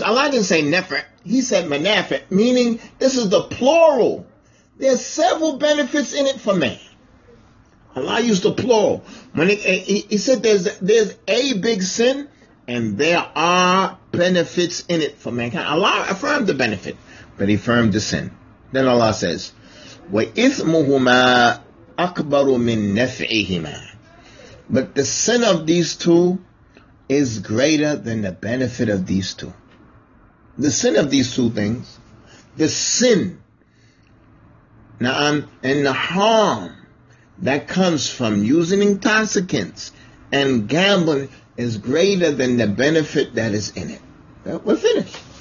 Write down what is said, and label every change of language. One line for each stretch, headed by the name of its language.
English: Allah didn't say nefer. He said manafit, meaning this is the plural. There's several benefits in it for man. Allah used the plural. When he said there's a big sin, and there are benefits in it for mankind. Allah affirmed the benefit, but he affirmed the sin.
Arabic: Then Allah says, وَإِثْمُهُمَا أَكْبَرُ مِن نَفْعِهِمَا.
English: But the sin of these two is greater than the benefit of these two. The sin of these two things, the sin, na'am, and the harm that comes from using intoxicants and gambling is greater than the benefit that is in it. We're finished.